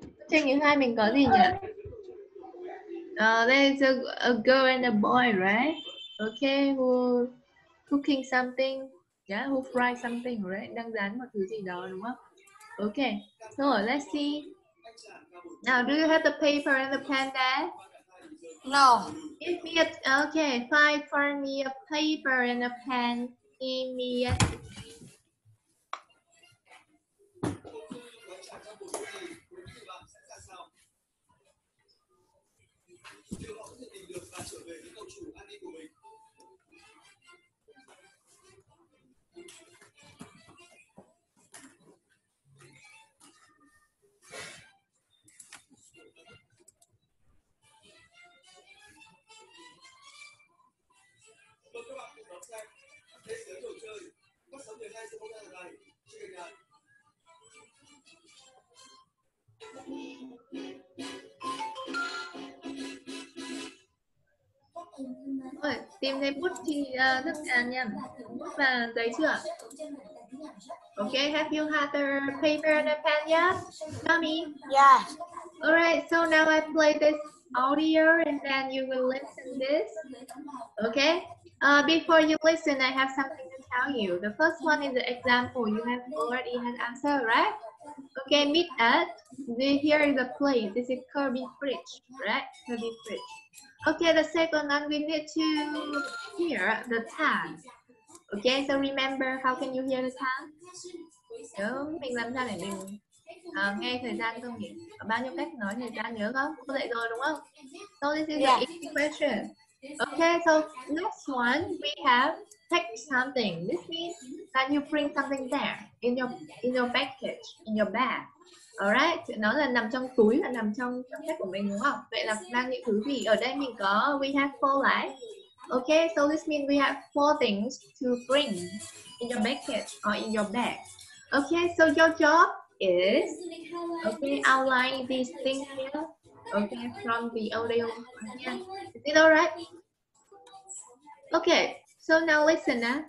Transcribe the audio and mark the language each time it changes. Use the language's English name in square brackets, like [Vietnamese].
[Vietnamese] Trên những hai mình có gì nhỉ? [English] There's a girl and a boy, right? Okay, who cooking something. Yeah, who fry something, right? [Vietnamese] Đang rán một thứ gì đó, đúng không? [English] Okay, so let's see. Now, do you have the paper and the pen there? No. Give me a... Okay, find for me a paper and a pen. Give me a... [Vietnamese] Ôi, tìm thấy bút thì rất nhanh, bút và giấy chưa? [English] Okay, have you had the paper and a pen yet? Tommy? Yeah. Alright, so now I play this audio and then you will listen this. Okay? Before you listen, I have something to tell you. The first one is the example. You have already had answer, right? Okay, meet at. Here is the place. This is Kirby Bridge, right? Kirby Bridge. Okay, the second one, we need to hear the tongue. Okay, so remember, how can you hear the tongue? [Vietnamese] Nhớ mình làm sao để mình nghe thời gian không nhỉ? Có bao nhiêu cách nói thời gian nhớ không? Cô dạy rồi đúng không? [English] So this is the easy question. Okay, so next one, we have take something. This means that you bring something there in your package, in your bag. [Vietnamese] Alright, nó là nằm trong túi, là nằm trong trong sách của mình đúng không? Vậy là mang những thứ gì? Ở đây mình có, [English] we have four [Vietnamese] lại. [English] Okay, so this means we have four things to bring in your package or in your bag. Okay, so your job is, okay, outline these things here. Okay, from the audio. Is it alright? Okay, so now listen.